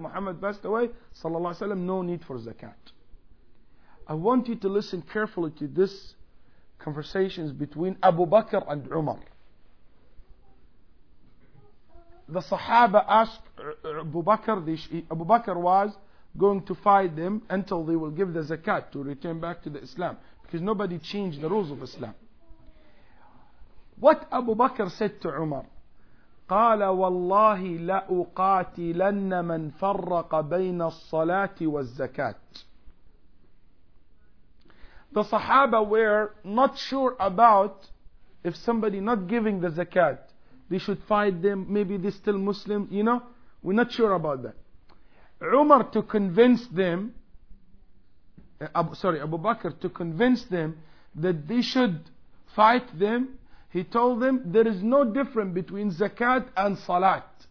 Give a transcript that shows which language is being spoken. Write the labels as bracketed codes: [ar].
[en] Muhammad passed away, sallallahu alayhi wa sallam, no need for zakat. I want you to listen carefully to this conversations between Abu Bakr and Umar. The Sahaba asked Abu Bakr, Abu Bakr was going to fight them until they will give the zakat to return back to the Islam, because nobody changed the rules of Islam. What Abu Bakr said to Umar, [ar] قَالَ وَاللَّهِ لَأُقَاتِلَنَّ مَنْ فَرَّقَ بَيْنَ الصَّلَاةِ وَالزَّكَاةِ. [en] The Sahaba were not sure about if somebody not giving the zakat, they should fight them, maybe they're still Muslim, you know? We're not sure about that. Umar to convince them, Abu Bakr to convince them that they should fight them, he told them, there is no difference between zakat and salat.